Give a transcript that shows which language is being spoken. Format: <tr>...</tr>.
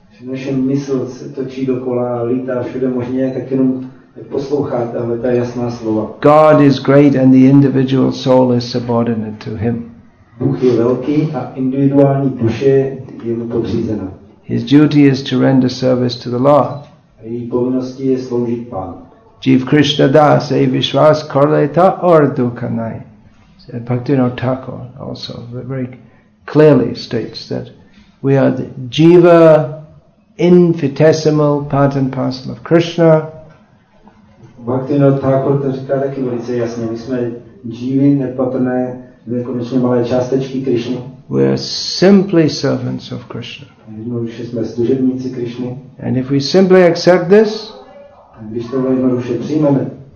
<cs>Naše mysl se točí dokola, lítá všude možně, tak jenom poslouchat ale ta jasná slova.</cs> <en>God is great and the individual soul is subordinate to him.</en> <cs>Bůh je velký a individuální duše je mu podřízená.</cs> <en>His duty is to render service to the Lord.</en> <cs>A její povinností je sloužit Pánu.</cs> <bn>Jiv Krishna das ei vishvas korleta or dukhanai.</bn> <en>Bhaktivinoda Thakur also very clearly states that we are the jiva infinitesimal part and parcel of Krishna.</en> <cs>Bhaktivinoda Thakur to říká taky velice jasně. My jsme jivy nepatrné, nekonečně malé částečky Krishna.</cs> <en>We are simply servants of Krishna.</en> <cs>Jednoduše jsme služebníci Krishna.</cs> <en>And if we simply accept this,</en> <cs>když to jednoduše přijmeme,</cs>